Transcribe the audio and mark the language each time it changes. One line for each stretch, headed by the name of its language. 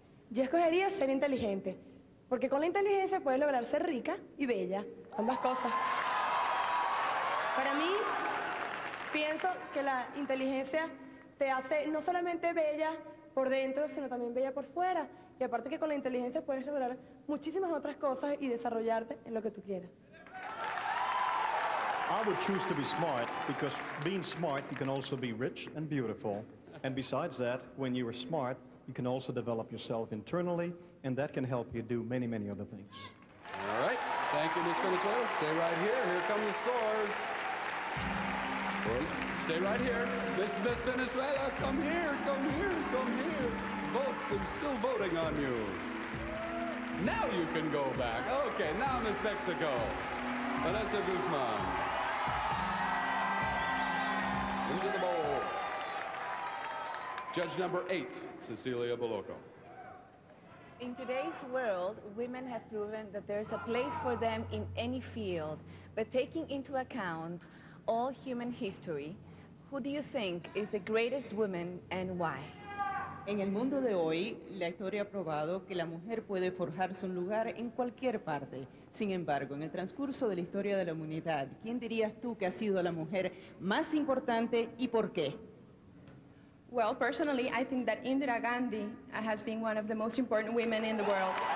Spanish: Yo escogería ser inteligente, porque con la inteligencia puedes lograr ser rica y bella, ambas cosas. Para mí, pienso que la inteligencia te hace no solamente bella por dentro, sino también bella por fuera. Y aparte que con la inteligencia puedes lograr muchísimas otras cosas y desarrollarte en lo que tú quieras.
English: I would choose to be smart because being smart, you can also be rich and beautiful. And besides that, when you are smart, you can also develop yourself internally, and that can help you do many, many other things. All right. Thank you, Ms. Venezuela. Stay right here. Here come the scores. Stay right here. Miss Venezuela, come here, come here, come here. Vote. I'm still voting on you. Now you can go back. Okay, now Miss Mexico. Vanessa Guzmán. Into the bowl. Judge number 8, Cecilia Boloco. In today's world, women have proven that there's a place for them in any field. But taking into account all human history, who do you think is the greatest woman and why?
Spanish: En el mundo de hoy, la historia ha probado que la mujer puede forjarse un lugar en cualquier parte. Sin embargo, en el transcurso de la historia de la humanidad, ¿quién dirías tú que ha sido la mujer más importante y por qué?
English: Well, personally, I think that Indira Gandhi has been one of the most important women in the world.